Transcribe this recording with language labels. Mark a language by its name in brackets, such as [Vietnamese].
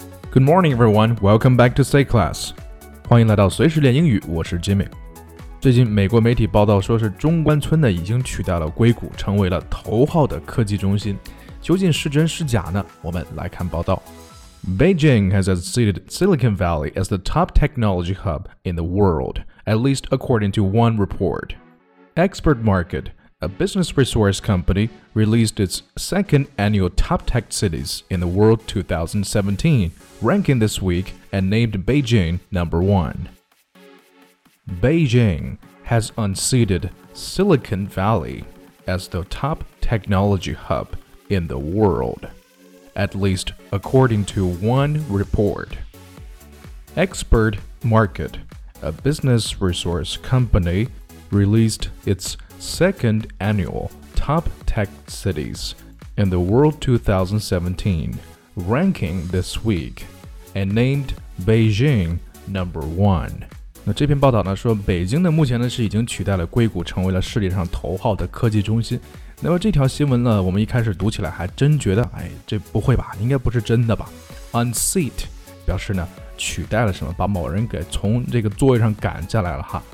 [English] Good morning, everyone. Welcome back to Say Class. [Chinese] 欢迎来到随时练英语，我是 [English] Jimmy。 [Chinese] 最近美国媒体报道说是中关村呢已经取代了硅谷，成为了头号的科技中心。究竟是真是假呢？我们来看报道。 [English] Beijing has ceded Silicon Valley as the top technology hub in the world, at least according to one report. Expert Market, a business resource company, released its second annual Top Tech Cities in the World 2017, ranking this week and named Beijing number one. Beijing has unseated Silicon Valley as the top technology hub in the world. At least according to one report. Expert Market, a business resource company, released its second annual Top Tech Cities in the World 2017 ranking this week and named Beijing number one. [Chinese] 那这篇报道呢说北京呢目前呢是已经取代了硅谷，成为了世界上头号的科技中心。那么这条新闻呢，我们一开始读起来还真觉得，哎，这不会吧，应该不是真的吧。 Unseat 表示呢取代了什么，把某人给从这个座位上赶下来了哈。